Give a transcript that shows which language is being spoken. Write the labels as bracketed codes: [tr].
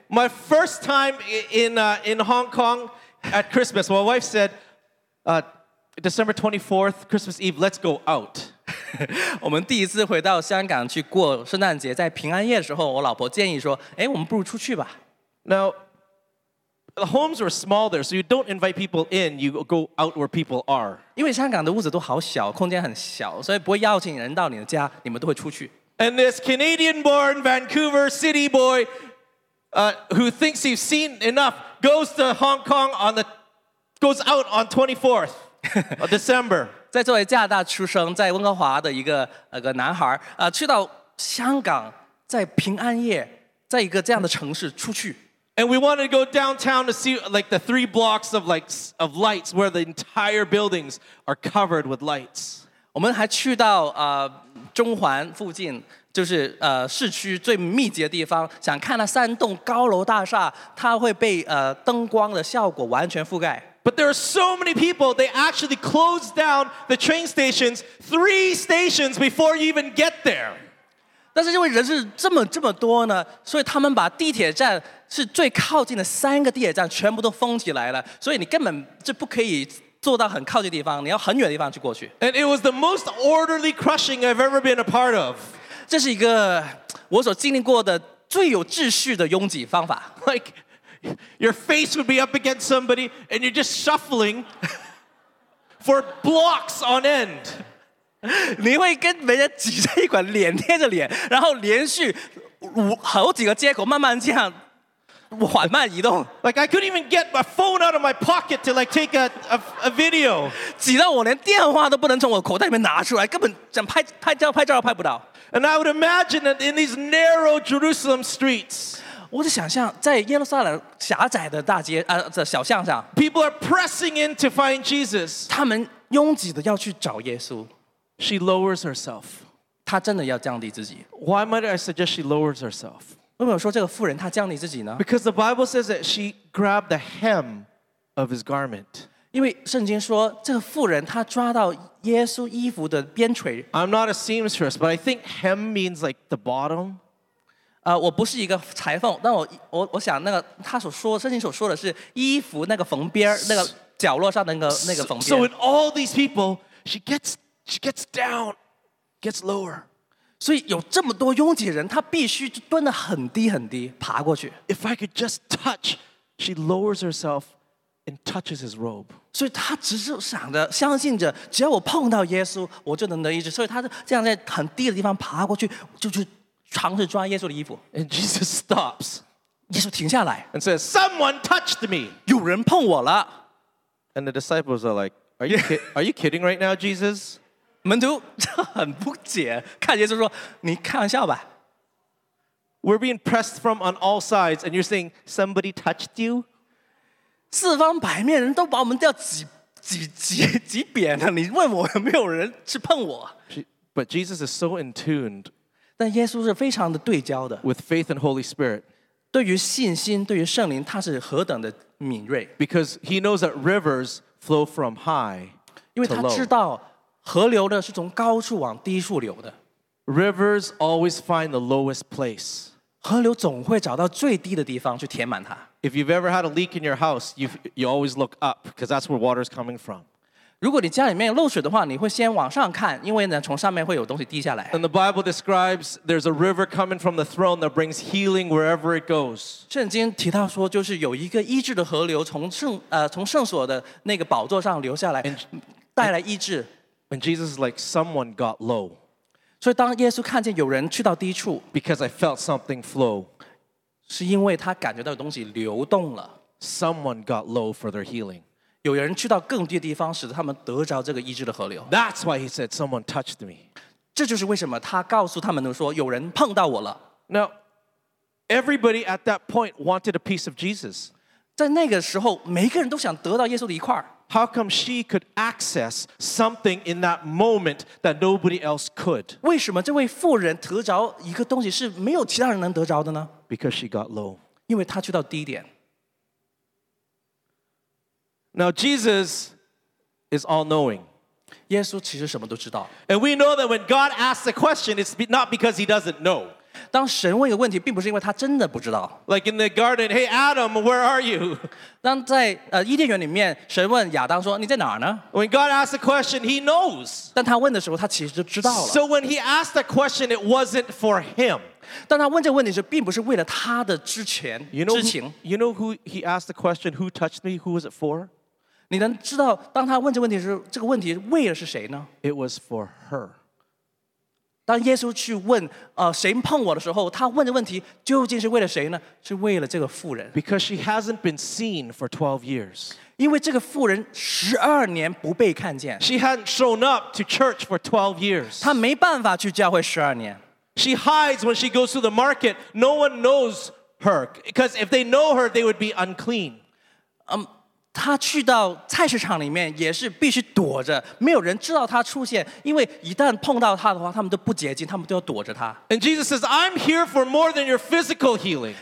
[en] My first time in Hong Kong at Christmas, my wife said, December 24th, Christmas Eve, let's go out. [zh] 我们第一次回到香港去过圣诞节，在平安夜的时候，我老婆建议说，哎，我们不如出去吧。 [en] Now, the homes were smaller, so you don't invite people in, you go out where people are. [zh] 因为香港的屋子都好小，空间很小，所以不会邀请人到你的家，你们都会出去。 [en] And this Canadian-born Vancouver city boy who thinks he's seen enough goes to Hong Kong goes out on 24th of December. [zh] 在作为加拿大出生在温哥华的一个男孩去到香港在平安夜在一个这样的城市出去。 [en] And we wanted to go downtown to see like the three blocks of lights where the entire buildings are covered with lights. [zh] 我们还去到中环附近，就是市区最密集的地方，想看那三栋高楼大厦，它会被灯光的效果完全覆盖。 [en] But there are so many people, they actually closed down the train stations, three stations before you even get there. [zh] 但是因为人是这么多呢，所以他们把地铁站是最靠近的三个地铁站全部都封起来了，所以你根本就不可以。坐到很靠近的地方，你要很远的地方去过去。 [en] And it was the most orderly crushing I've ever been a part of. [zh] 这是一个我所经历过的最有秩序的拥挤方法。 [en] Like your face would be up against somebody, and you're just shuffling for blocks on end. [zh] 你会跟别人挤在一块，脸贴着脸，然后连续好几个街口慢慢这样。缓慢移动 [en] like I couldn't even get my phone out of my pocket to like take a video [zh] 挤到我连电话都不能从我口袋里面拿出来根本想拍照拍不到 [en] and I would imagine that in these narrow Jerusalem streets [zh] 我就想象在耶路撒冷狭窄的大街的小巷上 [en] people are pressing in to find Jesus [zh] 他们拥挤的要去找耶稣 [en] she lowers herself [zh] 她真的要降低自己 [en] why might I suggest she lowers herself Because the Bible says that she grabbed the hem of his garment. [zh] 因为圣经说这个妇人她抓到耶稣衣服的边垂。 [en] I'm not a seamstress, but I think hem means like the bottom. [zh] 我不是一个裁缝，但我想那个他所说圣经所说的是衣服那个缝边那个角落上的那个缝边。 [en] So in all these people, she gets down, gets lower. [zh] 所以有这么多拥挤人，他必须蹲得很低很低，爬过去。 [en] If I could just touch, she lowers herself and touches his robe. [zh] 所以他只是想着，相信着，只要我碰到耶稣，我就能得医治。所以他这样在很低的地方爬过去，就去尝试抓耶稣的衣服。 [en] And Jesus stops. [zh] 耶稣停下来 [en] and says, "Someone touched me." [zh] 有人碰我了。 [en] And the disciples are like, "Are you kidding right now, Jesus?" [zh] 门徒很不解，看耶稣说：“你开玩笑吧。” [en] We're being pressed from on all sides, and you're saying somebody touched you. [zh] 四方百面人都把我们要挤扁了，你问我有没有人去碰我 [en] ？But Jesus is so in tuned. [zh] 但耶稣是非常的对焦的。 [en] With faith and Holy Spirit. [zh] 对于信心，对于圣灵，他是何等的敏锐 [en] ？Because he knows that rivers flow from high to low. [zh] 因为他知道。河流呢是从高处往低处流的。 [en] Rivers always find the lowest place. [zh] 河流总会找到最低的地方去填满它。 [en] If you've ever had a leak in your house, you always look up because that's where water is coming from. [zh] 如果你家里面漏水的话，你会先往上看，因为呢从上面会有东西滴下来。 [en] And the Bible describes there's a river coming from the throne that brings healing wherever it goes. [zh] 圣经提到说，就是有一个医治的河流从圣所的那个宝座上流下来，带来医治。 [en] And Jesus is like, someone got low. [zh] 所以当耶稣看见有人去到低处， [en] because I felt something flow. [zh] 是因为他感觉到有东西流动了。 [en] Someone got low for their healing. [zh] 有人去到更低的地方，使得他们得着这个医治的河流。 [en] That's why he said, someone touched me. [zh] 这就是为什么他告诉他们说，有人碰到我了。 [en] Now, everybody at that point wanted a piece of Jesus. [zh] 在那个时候，每个人都想得到耶稣的一块。 [en] How come she could access something in that moment that nobody else could? [zh] 为什么这位妇人得着一个东西是没有其他人能得着的呢？ [en] Because she got low. [zh] 因为她去到低点。 [en] Now Jesus is all-knowing. [zh] 耶稣其实什么都知道。 [en] And we know that when God asks a question, it's not because he doesn't know. [zh] 当神问一个问题，并不是因为他真的不知道。 [en] Like in the garden, hey Adam, where are you? [zh] 当在伊甸园里面，神问亚当说：“你在哪儿呢？” [en] When God asks a question, he knows. [zh] 但他问的时候，他其实就知道了。 [en] So when he asked the question, it wasn't for him. [zh] 当他问这个问题时，并不是为了他的知情。 [en] You know who he asked the question? Who touched me? Who was it for? [zh] 你能知道当他问这个问题时，这个问题为了是谁呢？ [en] It was for her. [zh] 当耶稣去问谁碰我的时候，他问的问题究竟是为了谁呢？是为了这个妇人。 [en] Because she hasn't been seen for 12 years. [zh] 因为这个妇人十二年不被看见。 [en] She hadn't shown up to church for 12 years. [zh] 她没办法去教会十二年。 [en] She hides when she goes to the market. No one knows her. Because if they know her, they would be unclean. [zh] 他去到菜市场里面也是必须躲着，没有人知道他出现，因为一旦碰到他的话，他们都不洁净，他们都要躲着他。 [en] And Jesus says, I'm here for more than your physical healing.